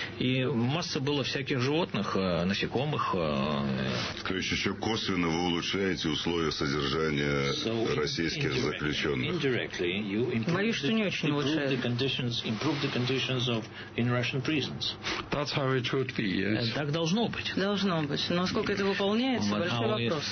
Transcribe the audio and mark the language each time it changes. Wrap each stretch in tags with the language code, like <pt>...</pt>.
<ru>И масса было всяких животных, насекомых. То есть еще косвенно вы улучшаете условия содержания российских заключенных.</ru> <en>Directly, you improve the conditions of in Russian prisons. That's how it should be.</en> <ru>Так должно быть. Должно быть. Но сколько это выполняется, большой вопрос.</ru>